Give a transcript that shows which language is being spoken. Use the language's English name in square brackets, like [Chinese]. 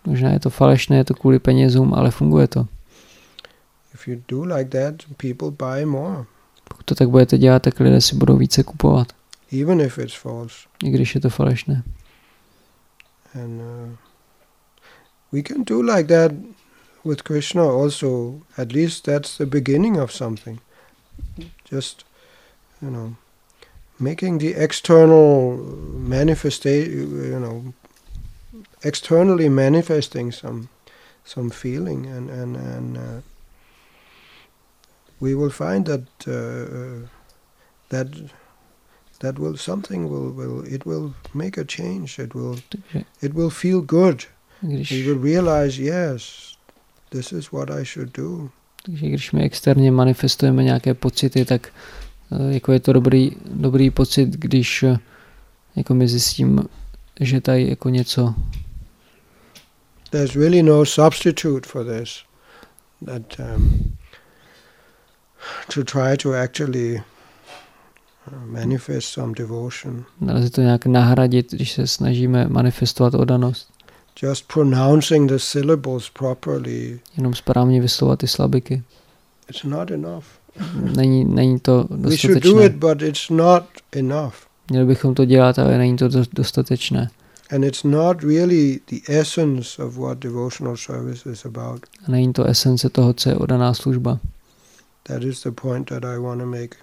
[Czech] Možná je to falešné, je to kvůli penězům, ale funguje to. [English] If you do like that, people buy more. [Czech] Pokud to tak budete dělat, tak lidé si budou více kupovat. [English] Even if it's false. [Czech] I když je to falešné. [English] And we can do like that with Krishna also, at least that's the beginning of something. Just, you know, making the external manifestation, you know, externally manifesting some feeling and we will find that will something will it will make a change. It will feel good. We will realize, yes, this is what I should do. [Czech] Takže když my externě manifestujeme nějaké pocity, tak jako je to dobrý pocit, když jako my zjistím, že tady jako něco. [English] There's really no substitute for this. That to try to actually manifest some devotion. [Czech] Nelze to nějak nahradit, když se snažíme manifestovat oddanost. [English] Just pronouncing the syllables properly. [Czech] Jenom správně vyslovat ty slabiky. [English] It's not enough. [Czech] Není to dostatečné. [English] We should do it, but it's not enough. [Czech] Měli bychom to dělat, ale není to dostatečné. [English] And it's not really the essence of what devotional service is about. [Czech] A není to esence toho, co je oddaná služba. [English] That is the point that I want to make.